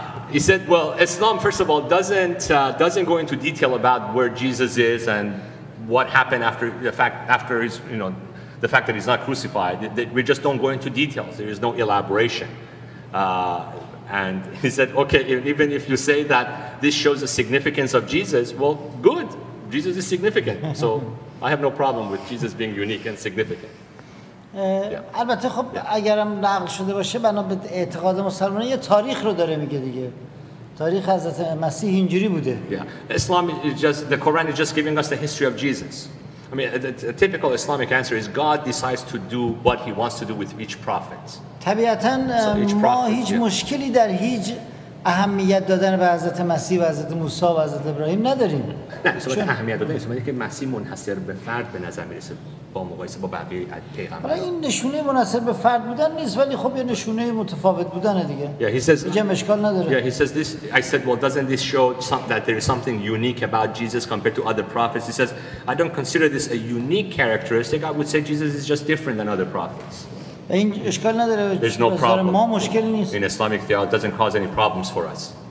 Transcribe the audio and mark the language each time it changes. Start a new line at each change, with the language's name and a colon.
English: He said, well, Islam, first of all, doesn't go into detail about where Jesus is and what happened after the fact that he's not crucified. We just don't go into details. There is no elaboration. And he said, okay, even if you say that this shows the significance of Jesus, well, good. Jesus is significant. So I have no problem with Jesus being unique and significant. Yeah. البته خب yeah.
Persian: اگرم نقل شده باشه بنا به اعتقاد مسلمان یه تاریخ رو داره میگه دیگه، تاریخ حضرت مسیح اینجوری بوده.
English: Yeah. Islam is just, the Quran is just giving us the history of Jesus. I mean, a typical Islamic answer is God decides to do what he wants to do with each prophet.
Persian: طبیعتاً ما هیچ مشکلی در هیچ اهمیت دادن به حضرت مسیح و حضرت موسی و حضرت ابراهیم نداریم. نه، اصلا اهمیت دادن اسمی که مسیح منحصر به فرد به نظر میرسه با مقایسه با بقیه پیغمبرا. حالا این نشونه منحصر به فرد بودن نیست، ولی خب یه نشونه متفاوت بودنه دیگه.
English: Yeah, he says.
Persian: دیگه مشکل نداره.
English: Yeah, he says this. I said, well, doesn't this show that there is something unique about Jesus compared to other prophets? He says, I don't consider this a unique characteristic. I would say Jesus is just different than other prophets.
Persian: این اشکال نداره.
English: There's no problem.
Persian: ما مشکلی نیست.
English: In Islamic theology, doesn't cause any problems for us.